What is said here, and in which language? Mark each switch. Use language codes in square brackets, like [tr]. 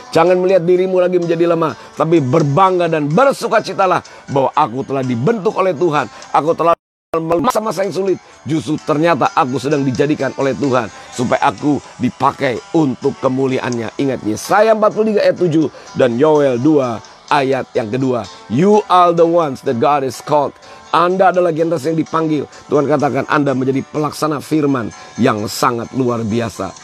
[id] Jangan melihat dirimu lagi menjadi lemah, tapi berbangga dan bersukacitalah bahwa aku telah dibentuk oleh Tuhan. Aku telah masa-masa yang sulit, justru ternyata aku sedang dijadikan oleh Tuhan supaya aku dipakai untuk kemuliaan-Nya. Ingat Yesaya 43 ayat 7 dan Yoel 2 ayat yang kedua. [en] You are the ones that God has called. [id] Anda adalah generasi yang dipanggil. Tuhan katakan Anda menjadi pelaksana firman yang sangat luar biasa.